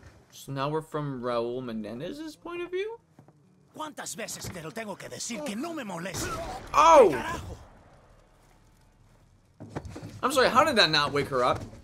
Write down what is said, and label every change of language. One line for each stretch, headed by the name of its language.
English: So now we're from Raul Menendez's point of view?
Spanish: ¿Cuántas veces te lo tengo que decir que no me moleste? Oh!
English: I'm sorry, how did that not wake her up?